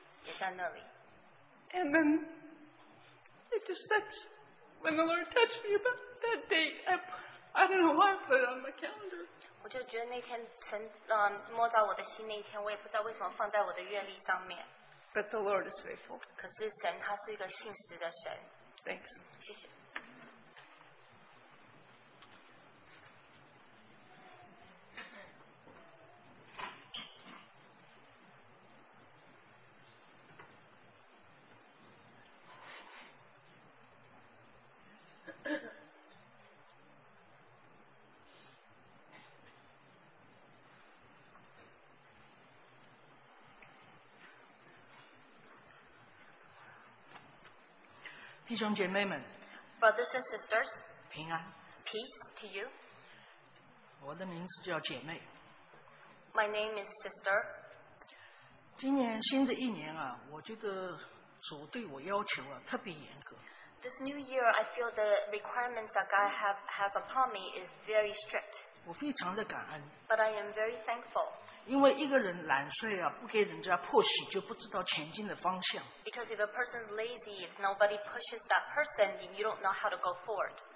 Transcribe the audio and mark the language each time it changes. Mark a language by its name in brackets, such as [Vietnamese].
[English] And then, it just said, when the Lord touched me about that date, I don't know why I put it on my calendar. [Chinese] 我就觉得那天神摸着我的心那天，我也不知道为什么放在我的愿历上面。 [English] But the Lord is faithful. [Chinese] 可是神他是一个信实的神。 [English] Thanks. [Chinese] 谢谢。弟兄姐妹们, [English] brothers and sisters, [Chinese] 平安, [English] peace to you. [Chinese] 我的名字叫姐妹, [English] my name is sister. [Chinese] 今年新的一年啊, 我觉得主对我要求啊, 特别严格。 [English] This new year, I feel the requirements that God has upon me is very strict. [Chinese] 我非常的感恩, [English] but I am very thankful. [Chinese] 因为一个人懒睡啊, 不给人家迫许, 就不知道前进的方向。 [English] Because if a person is lazy, if nobody pushes that person, then you don't know how to go forward.